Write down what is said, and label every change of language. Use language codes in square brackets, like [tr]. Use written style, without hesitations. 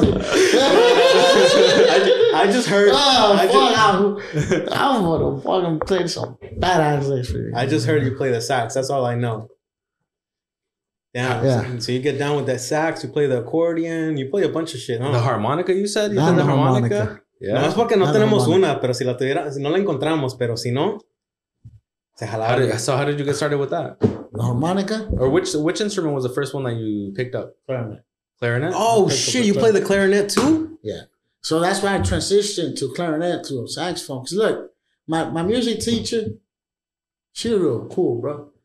[en] with me. I just heard. I'm going to fucking play some badass things for you. I just heard you play the sax. That's all I know. Damn. Yeah. So you get down with that sax, you play the accordion, you play a bunch of shit, huh? The harmonica, you said? Not the harmonica. Yeah. [es] No, es porque no tenemos una, pero si la tuviera, si no la encontramos, pero si no, se jalaría. [en] So how did you get started with that? The harmonica? Or which instrument was the first one that you picked up? Clarinet. Oh, shit, you play the clarinet too? Yeah. So that's why I transitioned to clarinet, to saxophone. Because look, my music teacher, she was real cool, bro.